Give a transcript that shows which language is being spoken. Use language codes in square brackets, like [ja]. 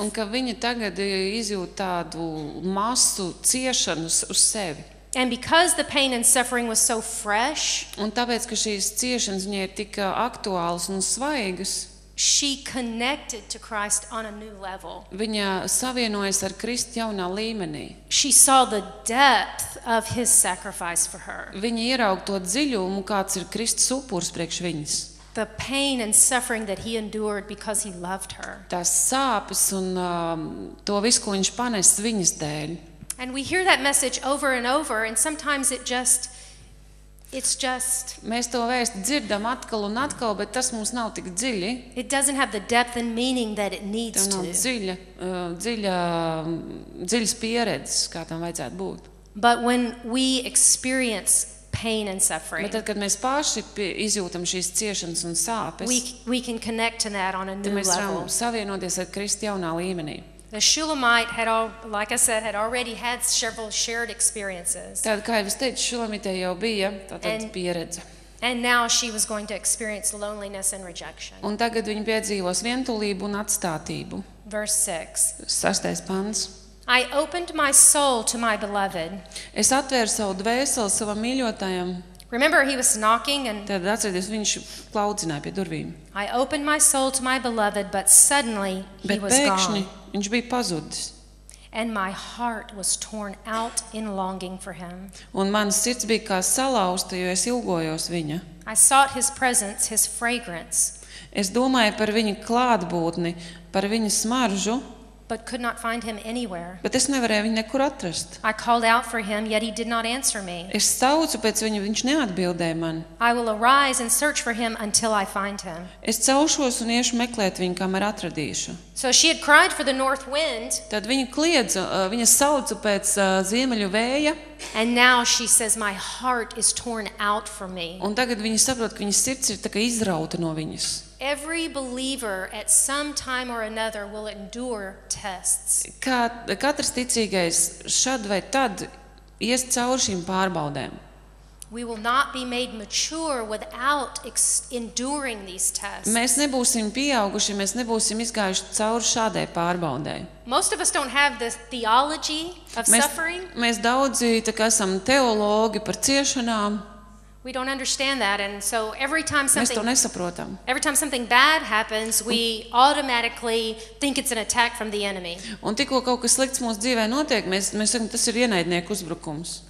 [lv] Un ka viņa tagad izjūt tādu masu ciešanas uz sevi. [en] And because the pain and suffering was so fresh, [lv] un tāpēc, ka šīs ciešanas viņai ir tik aktuālas un svaigas, [en] she connected to Christ on a new level. [lv] Viņa savienojas ar Kristu jaunā līmenī. [en] She saw the depth of his sacrifice for her. [lv] Viņa ieraug to dziļumu, kāds ir Kristus upurs priekš viņas. [en] The pain and suffering that he endured because he loved her. [lv] Tās sāpes un to visu, ko viņš panes viņas dēļ. [en] And we hear that message over and over, and sometimes it's just [lv] mēs to vēstu dzirdam atkal un atkal, bet tas mums nav tik dziļi. [en] It doesn't have the depth and meaning that it needs to. [lv] Dziļas pieredzes, kā tam vajadzētu būt. [en] But when we experience pain and suffering. [lv] Bet tad, kad mēs paši izjūtam šīs ciešanas un sāpes, [en] we can connect to that on a new level. [lv] Mēs varam savienoties ar Kristu jaunā līmenī. [en] The Shulamite had all, like I said, had already had several shared experiences. [lv] Tad, kā jau es teicu, Shulamite jau bija tāda pieredze. [en] And now she was going to experience loneliness and rejection. [lv] Un tagad viņa piedzīvos vientulību un atstātību. [en] Verse 6. [lv] Sastais pants. [en] I opened my soul to my beloved. [lv] Es atvēru savu dvēseli savam mīļotajam. [en] Remember he was knocking and [lv] tad atceries, viņš klaudzināja pie durvīm. [en] I opened my soul to my beloved, but suddenly [lv] bet [en] he was [lv] pēkšņi [en] gone. [lv] Viņš bija pazudis. [en] And my heart was torn out in longing for him. [lv] Un mans sirds bija kā salausta, jo es ilgojos viņa. [en] I sought his presence, his fragrance. [lv] Es domāju par viņa klātbūtni, par viņa smaržu. [en] But could not find him anywhere. [lv] Bet es nevarēju viņu nekur atrast. [en] I called out for him, yet he did not answer me. [lv] Es saucu pēc viņa, viņš neatbildēja man. [en] I will arise and search for him until I find him. [lv] Es celšos un iešu meklēt viņu, kamēr atradīšu. [en] So she had cried for the north wind. [lv] Tad viņa kliedza, viņa saucu pēc ziemeļu vēja. [en] And now she says my heart is torn out from me. [lv] Un tagad viņa saprot, ka viņas sirds ir tā kā izrauta no viņas. [en] Every believer at some time or another will endure tests. [lv] Katrs ticīgais šad vai tad ies cauri šīm pārbaudēm. [en] We will not be made mature without enduring these tests. [lv] Mēs nebūsim pieauguši, mēs nebūsim izgājuši cauri šādai pārbaudē. [en] Most of us don't have the theology of suffering. [lv] Mēs daudzi tā kā esam teologi par ciešanām. [en] We don't understand that and so every time something [lv] mēs to nesaprotam. [en] Every time something bad happens, we automatically think it's an attack from the enemy. [lv] Un tikko kaut kas slikts mūsu dzīvē notiek, mēs sakam, tas ir ienaidnieku uzbrukums.